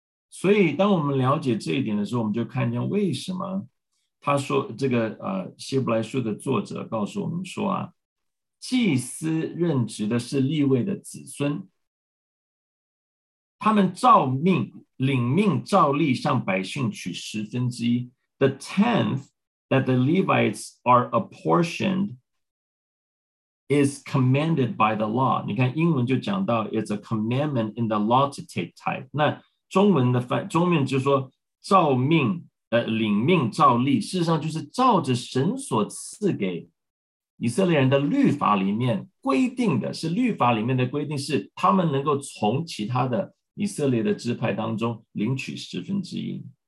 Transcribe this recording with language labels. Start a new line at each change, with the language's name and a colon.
Chinese: 所以当我们了解这一点的时候，我们就看见为什么他说这个希伯来书的作者告诉我们说啊，祭司任职的是利未的子孙，他们照命领命照例向百姓取十分之一。
English: The tenth that the Levites are apportioned is commanded by the law.
Chinese: 你看英文就讲到
English: it's a commandment in the law to take tithe.
Chinese: 那中文的翻中文就是说照命领命照例，事实上就是照着神所赐给以色列人的律法里面规定的，是律法里面的规定，是他们能够从其他的以色列的支派当中领取十分之一。